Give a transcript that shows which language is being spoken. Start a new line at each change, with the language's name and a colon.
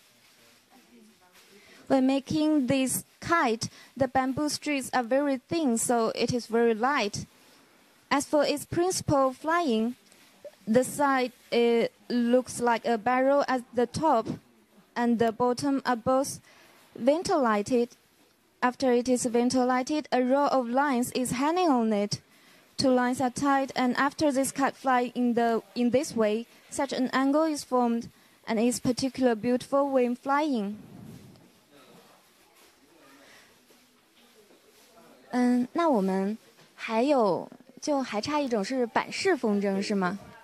Chinese: 是需要什么特别的工艺吗？因为风筝啊，它要放到天上去，所以说呢，这个我们制作的时候吧，这个主条啊，要求非常轻，面料呢比较薄，说这样的风筝呢，才更容易起飞。
English: When making this kite, the bamboo strings are very thin, so it is very light. As for its principle of flying, the side it looks like a barrel at the top, and the bottom are both ventilated. After it is ventilated, a row of lines is hanging on it. Two lines are tied, and after this kite flies in this way, such an angle is formed, and is particularly beautiful when flying. And
Chinese: 那我们还有，就还差一种是板式风筝，是吗？